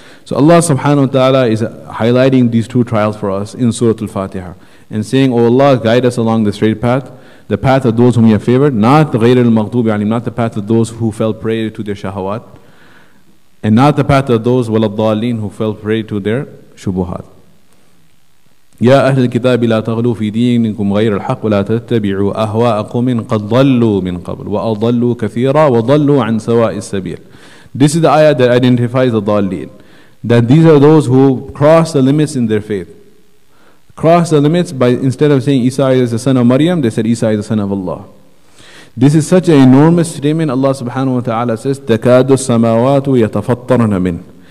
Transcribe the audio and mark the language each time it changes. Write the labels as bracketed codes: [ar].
[en] So Allah subhanahu wa ta'ala is highlighting these two trials for us in Surah Al-Fatiha. And saying, O Allah, guide us along the straight path, the path of those whom you have favored, not [ar] غير المغضوب عليهم, [en] not the path of those who fell prey to their shahawat, and not the path of those [ar] وللضالين, [en] who fell prey to their shubuhat. [ar] يا أهل الكتاب لا تغلوا في دينكم غير الحق ولا تتبعوا أهواء قوم قد ضلوا من قبل وأضلوا كثيرا وضلوا عن سواء السبيل. [en] This is the ayah that identifies the dalil, that these are those who cross the limits in their faith. Cross the limits by, instead of saying Isa is the son of Maryam, they said Isa is the son of Allah. This is such an enormous statement. Allah subhanahu wa ta'ala says, [ar] تَكَادُ السَّمَاوَاتُ يَتَفَطَّرْنَ مِنْهُ.